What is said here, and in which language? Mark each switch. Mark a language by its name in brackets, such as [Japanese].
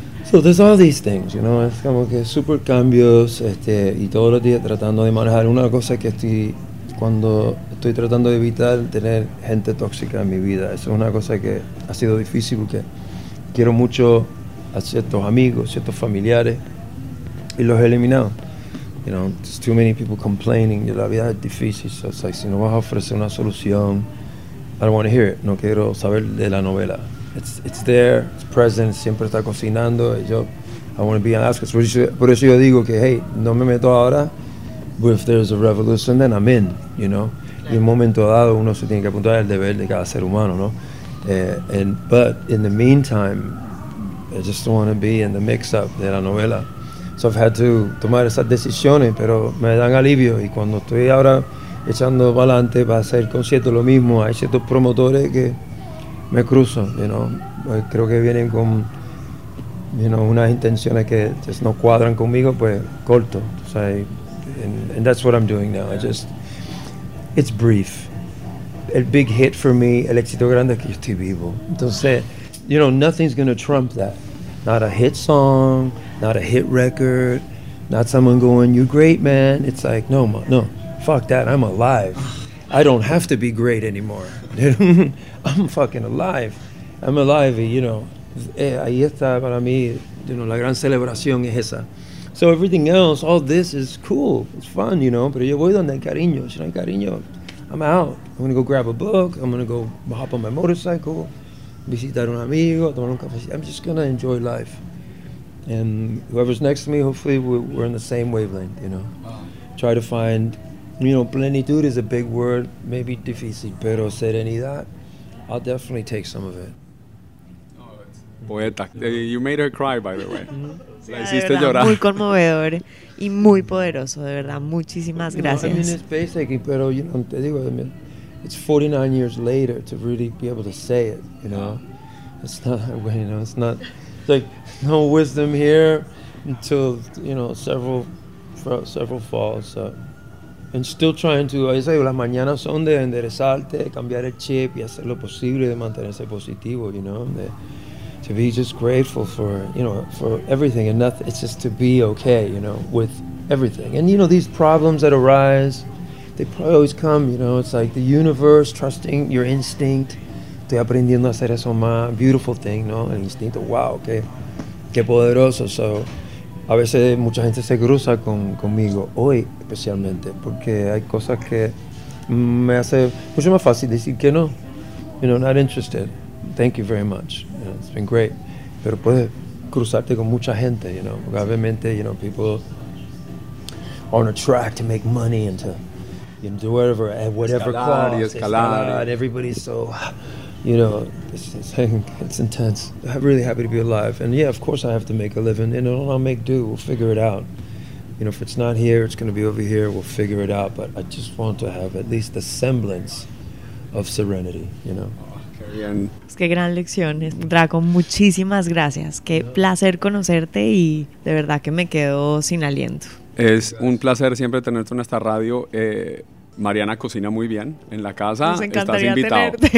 [English] So there's all these things, you know, [Spanish] es como que super cambios, y todos los días tratando de manejar. Una cosa que cuando estoy tratando de evitar tener gente tóxica en mi vida, eso es una cosa que ha sido difícil porque quiero mucho a ciertos amigos, ciertos familiares, y los he eliminado. [English] You know, there's too many people complaining, [Spanish] y la vida es difícil. [English] So it's like, [Spanish] si no vas a ofrecer una solución, [English] I don't want to hear it, [Spanish] no quiero saber de la novela. [English] It's there, it's present, [Spanish] siempre está cocinando, y yo, [English] I want to be an asker. [Spanish] Por eso yo digo que, hey, no me meto ahora. [English] But if there's a revolution, then I'm in, you know? [Spanish] Claro. Y en un momento dado, uno se tiene que apuntar al deber de cada ser humano, ¿no? [English] But in the meantime, I just don't want to be in the mix-up [Spanish] de la novela. [English] So I've had to [Spanish] tomar esas decisiones, pero me dan alivio. Y cuando estoy ahora echando para adelante para hacer el concierto, lo mismo, hay ciertos promotores que me cruzo, [English] you know? [Spanish] Pues creo que vienen con, [English] you know, [Spanish] unas intenciones que just no cuadran conmigo, pues corto, o sea, [English] And that's what I'm doing now. Yeah. It's brief. [Spanish] El [English] big hit for me, [Spanish] el éxito grande es que yo estoy vivo. [English] Entonces, you know, nothing's going to trump that. Not a hit song, not a hit record, not someone going, you great, man. It's like, no, fuck that, I'm alive. I don't have to be great anymore. I'm fucking alive. I'm alive, you know. [Spanish] Ahí está para mí, [English] you know, [Spanish] la gran celebración es esa. [English] So everything else, all this is cool. It's fun, you know. [Spanish] Pero yo voy donde hay cariño. Si no hay cariño, [English] I'm out. I'm going to go grab a book. I'm going to go hop on my motorcycle, [Spanish] visitar un amigo, tomar un café. [English] I'm just going to enjoy life. And whoever's next to me, hopefully we're in the same wavelength, you know. Try to find, you know, plenitud is a big word, maybe difícil, pero serenidad, I'll definitely take some of it. [Spanish] Poeta. [English] You made her cry, by the way. [Spanish] Mm-hmm. La hiciste llorar. Muy conmovedor y muy poderoso, de verdad. Muchísimas gracias. [English] No, I mean, it's basic, pero, you know, [Spanish] te digo, [English] I mean, it's 49 years later to really be able to say it, you know. It's not, you know, it's not, it's like, no wisdom here until, you know, several falls. And still trying to, I say, [Spanish] las mañanas son de enderezarte, de cambiar el chip y hacer lo posible de mantenerse positivo, [English] you know. To be just grateful for, you know, for everything and nothing. It's just to be okay, you know, with everything. And, you know, these problems that arise, they probably always come, you know. It's like the universe trusting your instinct. [Spanish] Estoy aprendiendo a hacer eso más. [English] Beautiful thing, [Spanish] ¿no? El instinto. [English] Wow, okay. [Spanish] Qué poderoso. So, a veces mucha gente se cruza conmigo, hoy especialmente, porque hay cosas que me hace mucho más fácil decir que no. [English] You know, not interested. Thank you very much. You know, it's been great. [Spanish] Pero puedes cruzarte con mucha gente, [English] you know. Obviamente, you know, people are on a track to make money and to, you know, do whatever, at whatever [Spanish] escalar, [English] cost. [Spanish] Y escalar. Escalar. [English] Everybody's so, you know, it's intense. I'm really happy to be alive. And yeah, of course I have to make a living. And I'll make do. We'll figure it out. You know, if it's not here, it's going to be over here. We'll figure it out. But I just want to have at least the semblance of serenity, you know. [Spanish] Es que gran lección, Draco, muchísimas gracias. Qué placer conocerte y de verdad que me quedo sin aliento. Es un placer siempre tenerte en esta radio. Mariana cocina muy bien en la casa. Nos encantaría estás invitado.